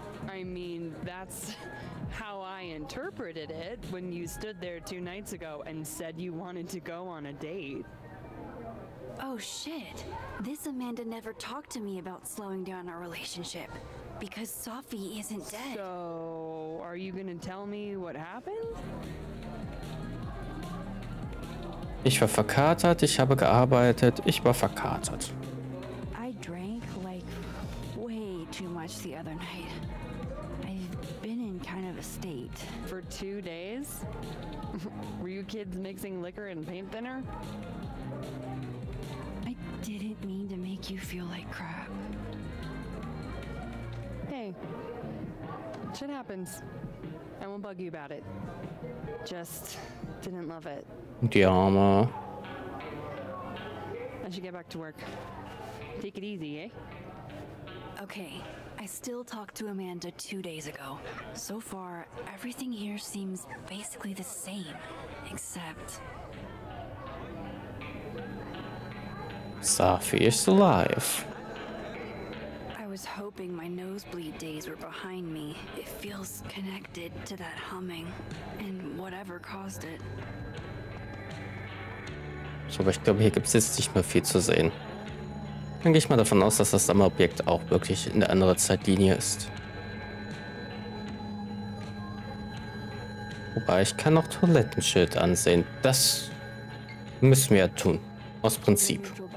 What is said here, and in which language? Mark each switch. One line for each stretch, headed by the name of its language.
English: I mean, that's how I interpreted it when you stood there two nights ago and said you wanted to go on a date. Oh shit, this Amanda never talked to me about slowing down our relationship because Sophie isn't dead. So, are you gonna tell me what happened?
German: Ich war verkatert, ich habe gearbeitet, ich war verkatert.
English: I drank like way too much the other night. I've been in kind of a state. For 2 days? Were you kids mixing liquor and paint thinner? I didn't mean to make you feel like crap. Hey, shit happens. I won't bug you about it. Just didn't love it.
German: Die Arme.
English: I should get back to work. Take it easy, eh? Okay, I still talked to Amanda 2 days ago. So far, everything here seems basically the same, except... Sophie is alive. I was hoping my nosebleed days were behind me. It feels connected to that humming and whatever caused it.
German: So, aber ich glaube, hier gibt es jetzt nicht mehr viel zu sehen. Dann gehe ich mal davon aus, dass das Sammelobjekt auch wirklich in der anderen Zeitlinie ist. Wobei, ich kann auch Toilettenschild ansehen. Das müssen wir ja tun. Aus Prinzip.